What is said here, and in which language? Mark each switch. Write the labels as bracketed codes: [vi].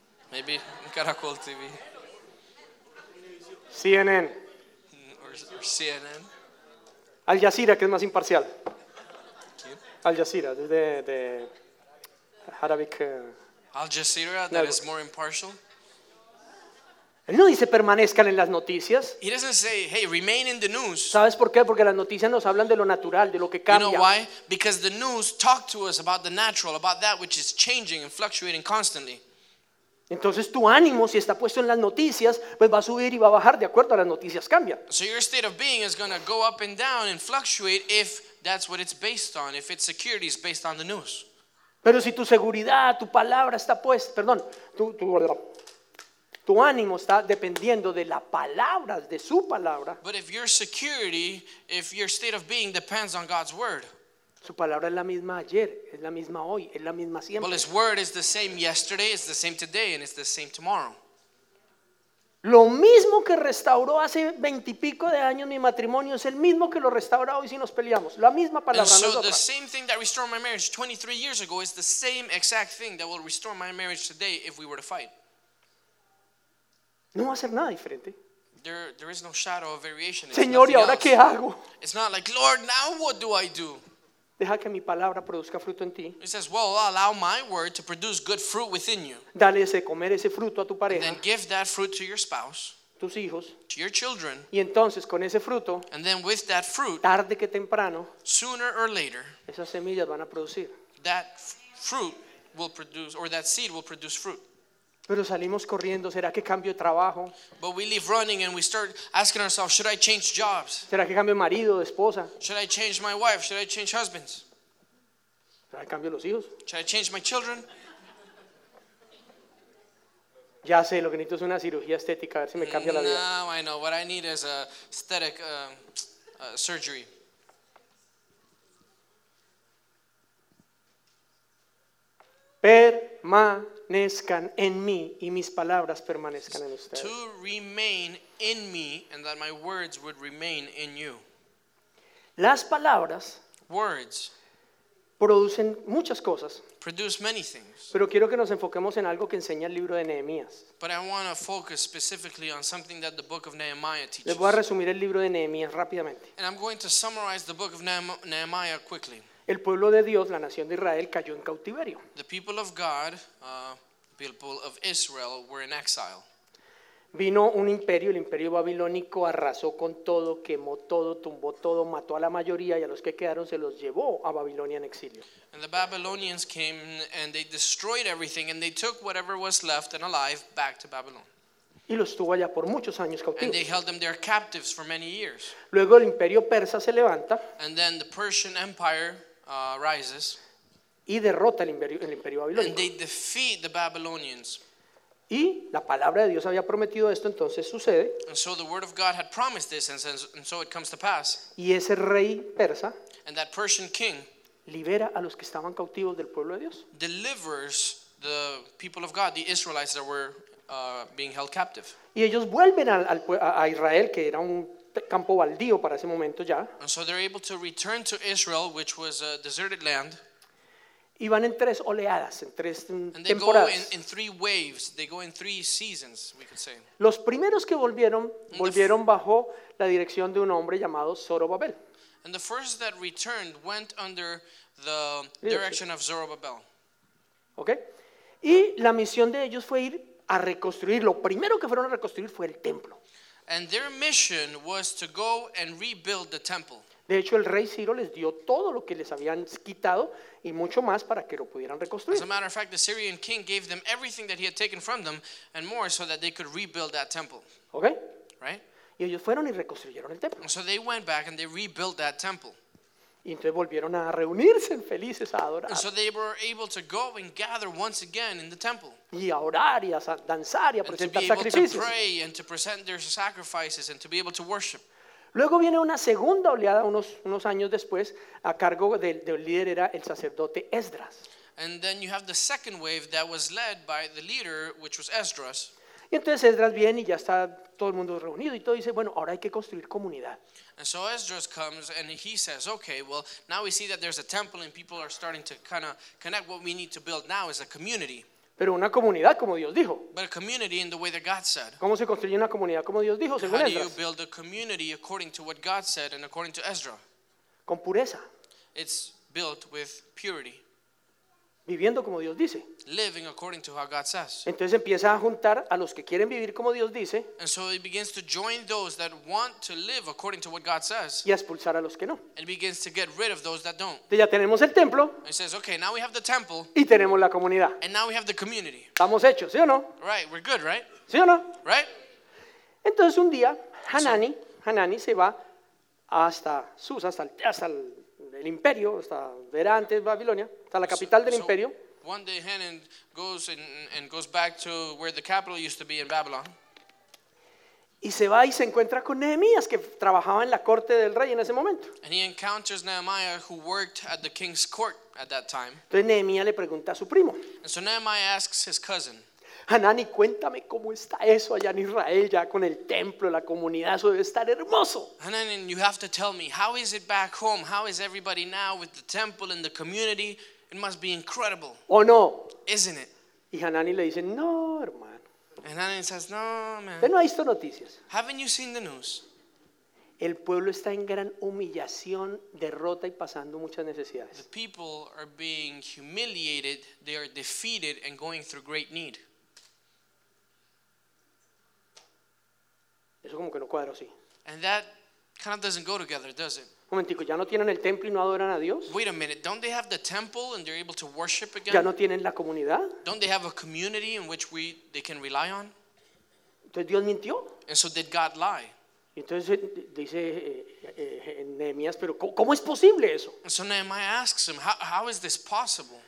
[en] Maybe Caracol TV. CNN. Or CNN. [es] Al Jazeera, que es más imparcial. Al Jazeera, desde de Arabic. [en] Al Jazeera, that is more impartial. [es] Él no dice permanezcan en las noticias. [en] He doesn't say, hey, remain in the news. [es] ¿Sabes por qué? Porque las noticias nos hablan de lo natural, de lo que cambia. [en] You know why? Because the news talk to us about the natural, about that which is changing and fluctuating constantly. [es] Entonces tu ánimo, si está puesto en las noticias, pues va a subir y va a bajar de acuerdo a las noticias cambia. [en] So your state of being is going to go up and down and fluctuate if that's what it's based on, if its security is based on the news. [es] Pero si tu seguridad, tu palabra está puesta, perdón, tu ánimo está dependiendo de la palabra, de su palabra. [en] But if your security, if your state of being depends on God's word. [es] Su palabra es la misma ayer, es la misma hoy, es la misma siempre. [en] Well, his word is the same yesterday, it's the same today, and it's the same tomorrow. [es] Lo mismo que restauró hace 20 y pico de años mi matrimonio es el mismo que lo restaura hoy si nos peleamos. La misma palabra. [en] And so the same thing that restored my marriage 23 years ago is the same exact thing that will restore my marriage today if we were to fight. [es] No va a hacer nada diferente. [en] There is no shadow of variation. It's [es] Señor, ¿y ahora [en] else. [es] Qué hago? [en] It's not like, Lord, now what do I do? [es] Deja que mi palabra produzca fruto en ti. [en] It says, well, allow my word to produce good fruit within you. [es] Dale ese comer ese fruto a tu pareja. [en] And then give that fruit to your spouse. [es] Tus hijos. [en] To your children. [es] Y entonces con ese fruto. [en] And then with that fruit. [es] Tarde que temprano. [en] Sooner or later. [es] Esas semillas van a producir. [en] That fruit will produce, or that seed will produce fruit. [es] Pero salimos corriendo, ¿será que cambio de trabajo? [en] But we leave running and we start asking ourselves, should I change jobs? [es] ¿Será que cambio de marido, de esposa? [en] Should I change my wife? Should I change husbands? [es] ¿Será que cambio los hijos? [en] Should I change my children? [es] Ya sé, lo que necesito es una cirugía estética, a ver si me cambia la vida. [en] Now I know, what I need is a aesthetic surgery. [es] Permanezcan en mí y mis palabras permanezcan en ustedes. [en] To remain in me and that my words would remain in you. [es] Las palabras [en] words [es] producen muchas cosas. [en] Produce many things. [es] Pero quiero que nos enfoquemos en algo que enseña el libro de Nehemías. [en] But I want to focus specifically on something that the book of Nehemiah teaches. [es] Les voy a resumir el libro de Nehemías rápidamente. [en] And I'm going to summarize the book of Nehemiah quickly. [es] El pueblo de Dios, la nación de Israel, cayó en cautiverio. [en] The people of God, people of Israel, were in exile. [es] Vino un imperio, el imperio babilónico, arrasó con todo, quemó todo, tumbó todo, mató a la mayoría y a los que quedaron se los llevó a Babilonia en exilio. [en] And the Babylonians came and they destroyed everything and they took whatever was left and alive back to Babylon. [es] Y los tuvo allá por muchos años cautivos. [en] And they held them there captives for many years. [es] Luego el imperio persa se levanta. [en] And then the Persian Empire rises. [es] Y derrota el imperio babilónico. [en] And they defeat the Babylonians. [es] Y la palabra de Dios había prometido esto, entonces sucede. [en] And so the word of God had promised this, and so it comes to pass. [es] Y ese rey persa, [en] and that Persian king, [es] libera a los que estaban cautivos del pueblo de Dios, [en] delivers the people of God, the Israelites that were being held captive. [es] Y ellos vuelven a Israel, que era un campo baldío para ese momento ya. [en] And so they're able to return to Israel, which was a deserted land. [es] Y van en tres oleadas, en tres temporadas. [en] In three waves. They go in three seasons, we could say. [es] Los primeros que volvieron, volvieron bajo la dirección de un hombre llamado Zorobabel. [en] And the first that returned went under the direction of Zorobabel. Okay. [es] Y la misión de ellos fue ir a reconstruir. Lo primero que fueron a reconstruir fue el templo. [en] And their mission was to go and rebuild the temple. [es] De hecho, el rey Ciro les dio todo lo que les habían quitado y mucho más para que lo pudieran reconstruir. [en] As a matter of fact, the Syrian king gave them everything that he had taken from them and more so that they could rebuild that temple. Okay. Right? [es] Y ellos fueron y reconstruyeron el templo. [en] So they went back and they rebuilt that temple. [es] Y entonces volvieron a reunirse felices a adorar. [en] And so they were able to go and gather once again in the temple. [es] Y a orar y a danzar y a presentar sacrificios. [en] And to be able to pray and to present their sacrifices and to be able to worship. [es] Luego viene una segunda oleada unos años después a cargo del líder era el sacerdote Esdras. [en] And then you have the second wave that was led by the leader, which was Esdras. [es] Y entonces Esdras viene y ya está todo el mundo reunido y todo dice, bueno, ahora hay que construir comunidad. [en] And so Esdras comes and he says, okay, well, now we see that there's a temple and people are starting to kind of connect. What we need to build now is a community. [es] Pero una comunidad como Dios dijo. [en] But a community in the way that God said. [es] ¿Cómo se construye una comunidad como Dios dijo, según [en] Esdras? How do you build a community according to what God said and according to Ezra? [es] Con pureza. [en] It's built with purity. [es] Viviendo como Dios dice. [en] Living according to how God says. [es] Entonces empieza a juntar a los que quieren vivir como Dios dice. [en] And so it begins to join those that want to live according to what God says. [es] Y a expulsar a los que no. [en] It begins to get rid of those that don't. [es] Entonces ya tenemos el templo. [en] It says, okay, now we have the temple. [es] Y tenemos la comunidad. [en] And now we have the community. [es] Estamos hechos, ¿sí o no? [en] Right, we're good, right? [es] ¿Sí o no? [en] Right? [es] Entonces un día, Hanani se va hasta Susa, hasta el imperio, hasta Verá antes Babilonia. Hasta la capital del imperio. [en] One day Hanan goes and goes back to where the capital used to be in Babylon. [es] Y se va y se encuentra con Nehemías que trabajaba en la corte del rey en ese momento. [en] And he encounters Nehemiah who worked at the king's court at that time. [es] Entonces Nehemías le pregunta a su primo. [en] And so Nehemiah asks his cousin. [es] Hanani, cuéntame cómo está eso allá en Israel, ya con el templo, la comunidad, eso debe estar hermoso. [en] Hanani, you have to tell me, how is it back home? How is everybody now with the temple and the community? It must be incredible. [es] ¿O no? [en] Isn't it? [es] Y Hanani le dice, no, hermano. [en] And Hanani says, no, man. [es] ¿Usted no ha visto noticias? [en] Haven't you seen the news? [es] El pueblo está en gran humillación, derrota y pasando muchas necesidades. [en] The people are being humiliated, they are defeated and going through great need. [es] Eso como que no cuadra, sí. [en] And that kind of doesn't go together, does it? [es] Momentico, ya no tienen el templo y no adoran a Dios. [en] Wait a minute, don't they have the temple and they're able to worship again? [es] Ya no tienen la comunidad. [en] Don't they have a community in which they can rely on? [es] Entonces Dios mintió. [en] And so did God lie? [es] Entonces dice Nehemías, pero ¿cómo es posible eso? [en] And so Nehemiah asks him, how is this possible?